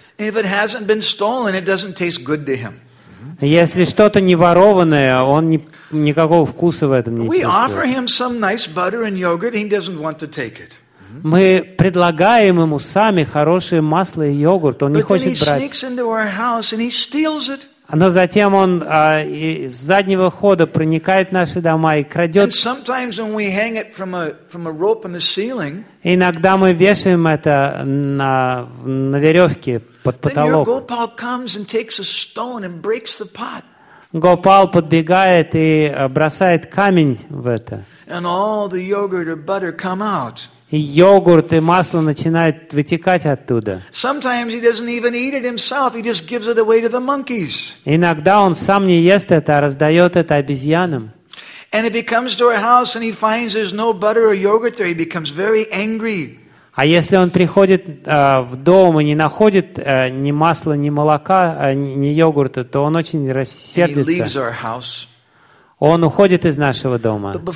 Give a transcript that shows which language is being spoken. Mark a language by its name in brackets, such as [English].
[English] If it hasn't been stolen, it doesn't taste good to him. [Russian] Если что-то не ворованное, он никакого вкуса в этом не чувствует. [English] We offer him some nice butter and yogurt, he doesn't want to take it. [Russian] Мы предлагаем ему сами хорошее масло и йогурт, он не хочет брать. [English] But then he sneaks into our house and he steals it. [Russian] Но затем он с заднего хода проникает в наши дома и крадет. [English] And sometimes when we hang it from a rope on the ceiling. [Russian] Иногда мы вешаем это на веревке. [English] Then your Gopal comes and takes a stone and breaks the pot. [Russian] Гопал подбегает и бросает камень в это. [English] And all the yogurt or butter come out. [Russian] И йогурт и масло начинают вытекать оттуда. [English] Sometimes he doesn't even eat it himself. He just gives it away to the monkeys. [Russian] Иногда он сам не ест это, а раздает это обезьянам. [English] And if he comes to our house and he finds there's no butter or yogurt there, he becomes very angry. [Russian] А если он приходит в дом и не находит ни масла, ни молока, ни йогурта, то он очень рассердится. Он уходит из нашего дома.